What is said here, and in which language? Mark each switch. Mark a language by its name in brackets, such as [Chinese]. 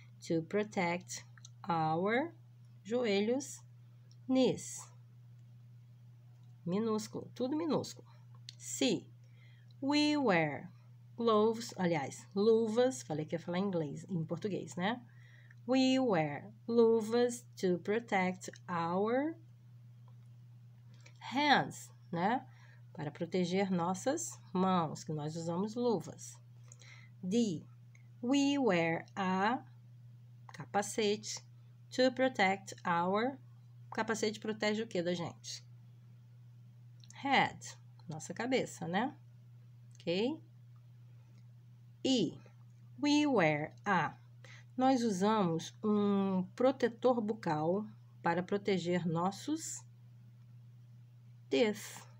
[English] To protect our joelhos. Knees. [Portuguese] Minúsculo. Tudo minúsculo. [English] C. We wear gloves. [Portuguese] Aliás, luvas. Falei que ia falar em inglês, em português, né? [English] We wear luvas to protect our hands, né? [Portuguese] Para proteger nossas mãos, que nós usamos luvas. [English] D. We wear a capacete to protect our... [Portuguese] Capacete protege o que da gente? Head. Nossa cabeça, né? Ok? E. [English] We wear a... [Portuguese] Nós usamos um protetor bucal para proteger nossos teeth.